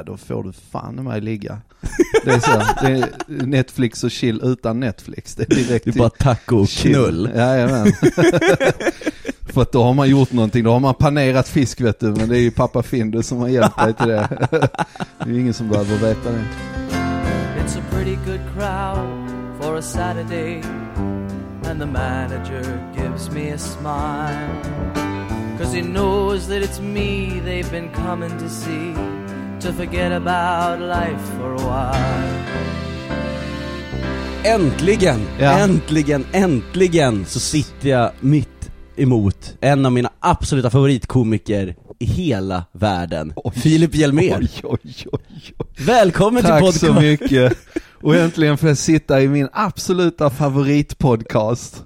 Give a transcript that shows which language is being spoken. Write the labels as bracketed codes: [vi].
[sv] Ja, då får du fan med mig ligga. Det är så. Det är Netflix och chill utan Netflix. Det är bara taco och knull. Ja, men. För att då har man gjort någonting. Då har man panerat fisk, vet du. Men det är ju pappa Finde som har hjälpt dig till det. Det är ju ingen som behöver veta det. [en] It's a pretty good crowd for a Saturday. And the manager gives me a smile. Cause he knows that it's me they've been coming to see. To forget about life for a while. [sv] Äntligen, ja. äntligen så sitter jag mitt emot en av mina absoluta favoritkomiker i hela världen. Oj, Filip Hjelmér. Välkommen tack till podcast. Tack så mycket. Och äntligen får jag sitta i min absoluta favoritpodcast.